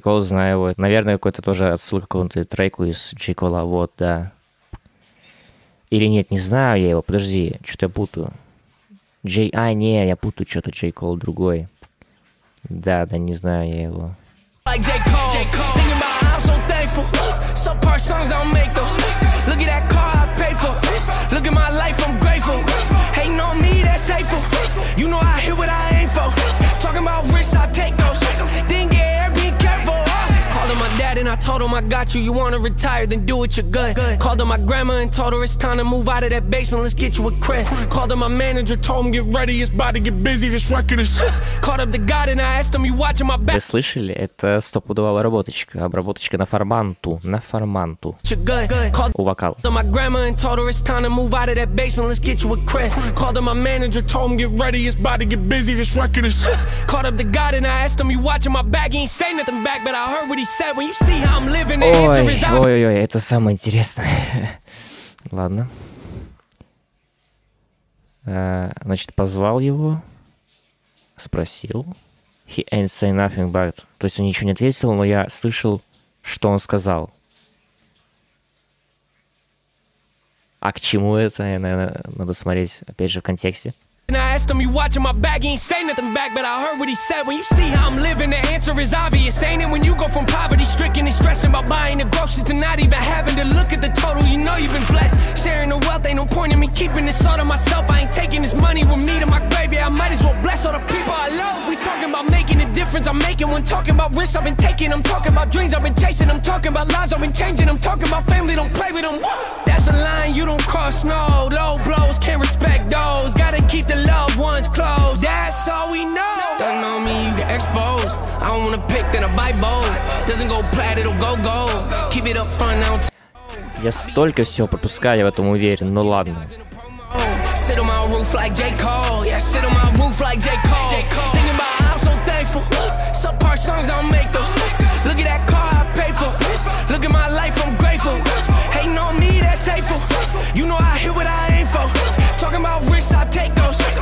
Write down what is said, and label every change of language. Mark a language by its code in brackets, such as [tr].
[ru] Cole, знаю его. Наверное, какой-то тоже отсылка к какому-то треку из J. Cole, вот, да. Или нет, не знаю я его. Подожди, что-то я путаю. J... А, не, я путаю что-то. J. Cole другой. Да, да не знаю я его. [en] Like J. Cole, J. Cole. Thinking about how I'm so thankful. So par songs, I don't make those. Look at that car I paid for. Look at my life, I'm grateful. Hating on me, that's hateful. You know I hear what I aim for. Talking about risks, I take those. Then get air, be careful. Called on my dad and I told him I got you. You wanna retire, then do it, you're good. Called on my grandma and told her it's time to move out of that basement. Let's get you a crib. Called on my manager, told him get ready. It's about to get busy, this record is... Called up the god and I asked him, you watching my back. [ru] Вы слышали? Это стопудовая обработочка. Обработочка на форманту. На форманту. У вокал. [en] Called on my grandma and told her it's time to move out of that basement. Let's get you a crib. Called on my manager, told him get ready. It's about to get busy, this record is... Called up the god and I asked him, you watching my back. He ain't say nothing back, but I heard what he said when you see how I'm living. [ru] Ой, ой, ой, ой, это самое интересное. Ладно. Значит, позвал его. Спросил. [en] He ain't say nothing but... [ru] То есть он ничего не ответил, но я слышал, что он сказал. А к чему это? Я, наверное, надо смотреть, опять же, в контексте. [en] And I asked him, you watching my back, he ain't say nothing back, but I heard what he said. When you see how I'm living, the answer is obvious, ain't it? When you go from poverty stricken and stressing about buying the groceries to not even having to look at the total, you know you've been blessed. Sharing the wealth ain't no point in me keeping this all to myself. I ain't taking this money with me to my grave. Yeah, I might as well bless all the people I love. We talking about making a difference, I'm making one. Talking about risks I've been taking, I'm talking about dreams I've been chasing. I'm talking about lives I've been changing. I'm talking about family, don't play with them. That's a line you don't cross, no. Low blows, can't respect those. Gotta keep the loved ones close. That's all we know. Stunning on me, you get exposed. I don't wanna pick, then I bite bold. Doesn't go plat, it'll go gold. Keep it up front, I don't... [ru] Я столько всего пропускаю, я в этом уверен, но ладно. [en] Sit on my roof like J. Cole. Yeah, sit on my roof like J. Cole. J. Cole. Thinking about how I'm so thankful. Some part songs, I don't make those. Look at that car I paid for. Look at my life, I'm grateful. Hating on me, that's hateful. You know I hear what I aim for. Talking about risks, I take those.